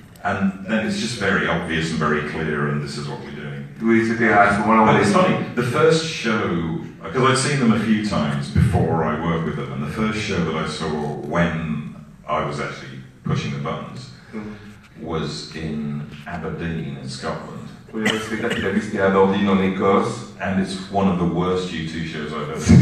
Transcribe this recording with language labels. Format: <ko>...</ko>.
<en>And then it's just very obvious and very clear, and this is what we're doing.</en> <fr>Oui, c'était à ce moment-là.</fr> <en>But it's funny, the first show, because I'd seen them a few times before I worked with them, and the first show that I saw when I was actually pushing the buttons was in Aberdeen in Scotland.</en> <fr>Oui, le spectacle qu'il a vu, c'était à Aberdeen en Écosse.</fr> <en>And it's one of the worst U2 shows I've ever seen.</en>